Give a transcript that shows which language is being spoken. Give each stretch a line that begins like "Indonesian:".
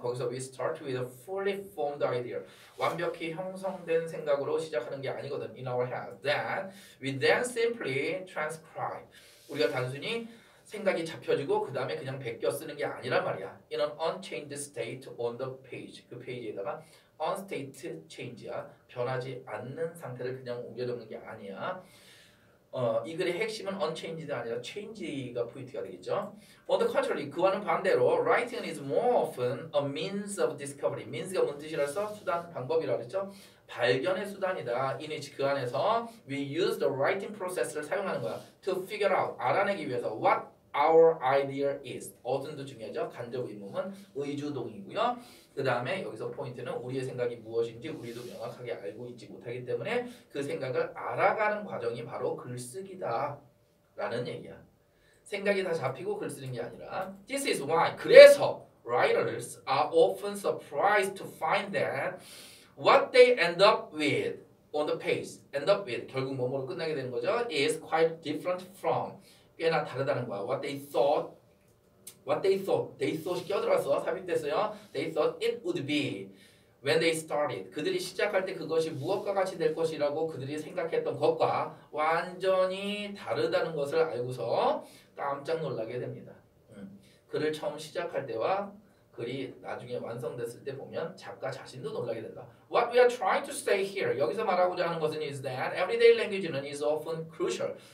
Korean: 거기서
English: we start with a fully formed idea.
Korean: 완벽히 형성된 생각으로 시작하는 게 아니거든.
English: In our head. Then we then simply transcribe.
Korean: 우리가 단순히 생각이 잡혀지고 그 다음에 그냥 베껴 쓰는 게 아니란 말이야.
English: In an unchanged state on the page.
Korean: 그 페이지에다가
English: unstate change야.
Korean: 변하지 않는 상태를 그냥 옮겨 적는 게 아니야. 이 글의 핵심은 unchanged가 아니라 change가 포인트가 되겠죠.
English: On the contrary,
Korean: 그와는 반대로
English: writing is more often a means of discovery.
Korean: means가 뭔 뜻이라서 수단, 방법이라고 그랬죠. 발견의 수단이다.
English: In which
Korean: 그 안에서
English: we use the writing process를 사용하는 거야. to figure out,
Korean: 알아내기 위해서
English: what our idea is.
Korean: 어떤도 중요하죠. 간접 의문은 의주동이고요. 그 다음에 여기서 포인트는 우리의 생각이 무엇인지 우리도 명확하게 알고 있지 못하기 때문에 그 생각을 알아가는 과정이 바로 글쓰기다 라는 얘기야. 생각이 다 잡히고 글 쓰는 게 아니라
English: This is why. 그래서 writers are often surprised to find that what they end up with on the page, end up with,
Korean: 결국 뭐뭐로 끝나게 되는 거죠.
English: is quite different from,
Korean: 꽤나 다르다는 거야.
English: What they thought. What they thought.
Korean: They thought이 끼어들어서 삽입됐어요.
English: They thought it would be when they started.
Korean: 그들이 시작할 때 그것이 무엇과 같이 될 것이라고 그들이 생각했던 것과 완전히 다르다는 것을 알고서 깜짝 놀라게 됩니다. 글을 처음 시작할 때와 글이 나중에 완성됐을 때 보면 작가 자신도 놀라게 된다.
English: What we are trying to say here.
Korean: 여기서 말하고자 하는 것은
English: is that everyday language는 is often crucial.